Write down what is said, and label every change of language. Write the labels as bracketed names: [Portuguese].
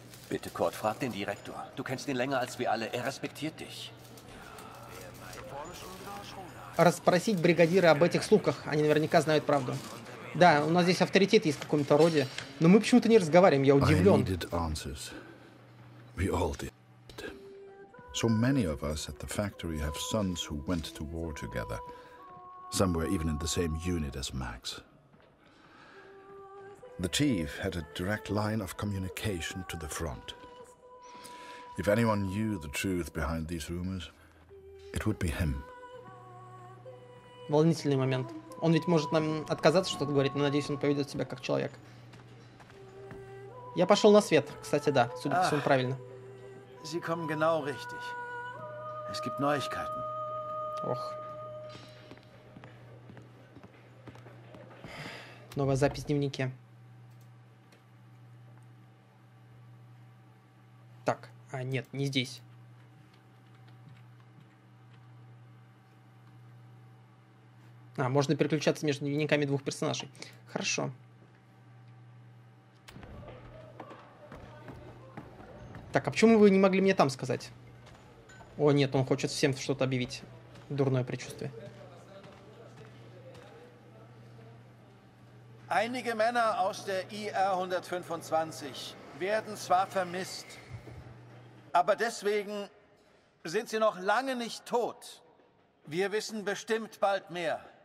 [German] Bitte, Kurt, frag den Direktor. Du kennst ihn länger als wir alle. Er respektiert dich. [Russian] Расспросить бригадира об этих слухах. Они наверняка знают правду. Да, у нас здесь авторитет есть в каком-то роде, но мы почему-то не разговариваем, я удивлен. [English] I needed answers. We all did. So many of us at the factory have sons who went to war together. Some were even in the same unit as Max. The chief had a direct line of communication to the front. If anyone knew the truth behind these rumors, it would be him. [Russian] Волнительный момент. Он ведь может нам отказаться что-то говорить, но надеюсь, он поведет себя как человек. Я пошел на свет, кстати, да, судя по всему, правильно. [German] Sie kommen genau richtig. Es gibt Neuigkeiten. Ох. [Russian] Новая запись в дневнике. Так, а нет, не здесь. А, можно переключаться между дневниками двух персонажей. Хорошо. Так, а почему вы не могли мне там сказать? О, нет, он хочет всем что-то объявить. Дурное предчувствие. [German] Einige Männer aus der IR-125 werden zwar vermisst, aber deswegen sind sie noch lange nicht tot. Wir wissen bestimmt bald mehr.